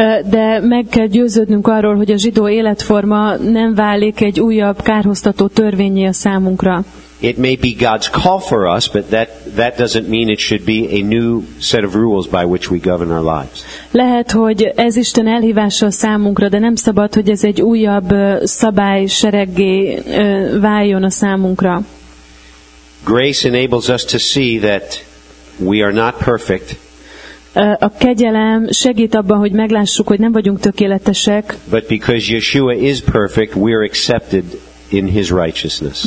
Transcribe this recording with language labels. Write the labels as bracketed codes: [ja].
[hu] De meg kell győződnünk arról, hogy a zsidó életforma nem válik egy újabb kárhoztató törvénnyé a számunkra. [en] It may be God's call for us, but that doesn't mean it should be a new set of rules by which we govern our lives. [hu] Lehet, hogy ez Isten elhívása a számunkra, de nem szabad, hogy ez egy újabb szabály sereggé váljon a számunkra. [en] Grace enables us to see that we are not perfect. [hu] A kegyelem segít abban, hogy meglássuk, hogy nem vagyunk tökéletesek. [en] But because Yeshua is perfect, we are accepted in His righteousness.